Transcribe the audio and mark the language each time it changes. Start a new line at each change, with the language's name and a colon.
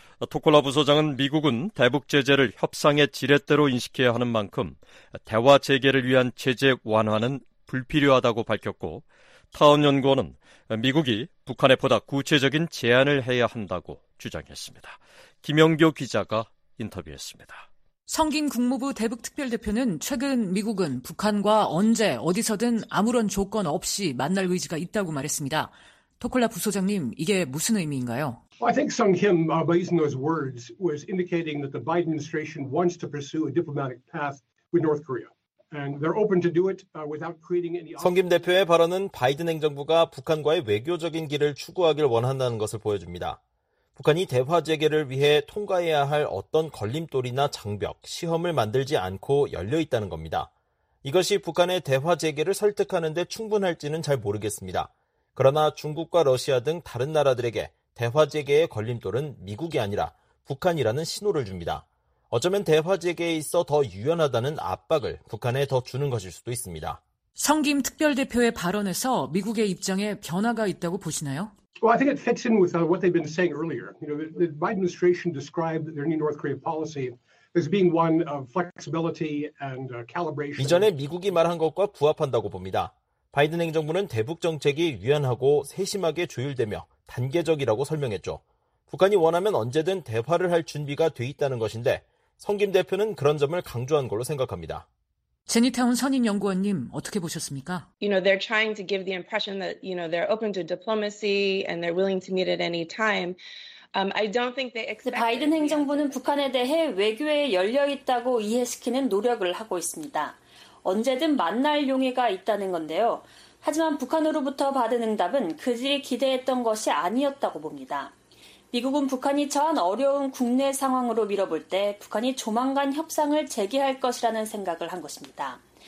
Korean: 토콜라 부소장은 미국은 대북 제재를 협상의 지렛대로 인식해야 하는 만큼 대화 재개를 위한 제재 완화는 불필요하다고 밝혔고 타운 연구원은 미국이 북한에 보다 구체적인 제안을 해야 한다고 주장했습니다. 김영교 기자가 인터뷰했습니다. 성김 국무부 대북특별대표는 최근 미국은 북한과 언제 어디서든 아무런 조건 없이 만날 의지가 있다고 말했습니다. 토콜라 부소장님, 이게 무슨 의미인가요?
English: I think Song Kim, by using those words, was indicating that the Biden administration wants to pursue a diplomatic path with North Korea. And they're open to do it without creating any...
Korean: 성김 대표의 발언은 바이든 행정부가 북한과의 외교적인 길을 추구하길 원한다는 것을 보여줍니다. 북한이 대화 재개를 위해 통과해야 할 어떤 걸림돌이나 장벽, 시험을 만들지 않고 열려 있다는 겁니다. 이것이 북한의 대화 재개를 설득하는 데 충분할지는 잘 모르겠습니다. 그러나 중국과 러시아 등 다른 나라들에게 대화 재개의 걸림돌은 미국이 아니라 북한이라는 신호를 줍니다. 어쩌면 대화 재개에 있어 더 유연하다는 압박을 북한에 더 주는 것일 수도 있습니다. 성김 특별대표의 발언에서 미국의 입장에 변화가 있다고 보시나요?
English: Well, I think it fits in with what they've been saying earlier. You know, the Biden administration described their new North Korea policy as being one of flexibility and calibration.
Korean: 이전에 미국이 말한 것과 부합한다고 봅니다. 바이든 행정부는 대북 정책이 유연하고 세심하게 조율되며 단계적이라고 설명했죠. 북한이 원하면 언제든 대화를 할 준비가 돼 있다는 것인데 성김 대표는 그런 점을 강조한 걸로 생각합니다. 제니타운 선임 연구원님 어떻게 보셨습니까?
English: You know, they're trying to give the impression that you know they're open to diplomacy and they're willing to meet at any time. I don't think they expect.
Korean: 바이든 행정부는 북한에 대해 외교에 열려 있다고 이해시키는 노력을 하고 있습니다. 언제든 만날 용의가 있다는 건데요. 하지만 북한으로부터 받은 응답은 그들이 기대했던 것이 아니었다고 봅니다. 미국은 북한이 처한 어려운 국내 상황으로 밀어볼 때 북한이 조만간 협상을 재개할 것이라는 생각을 한 것입니다.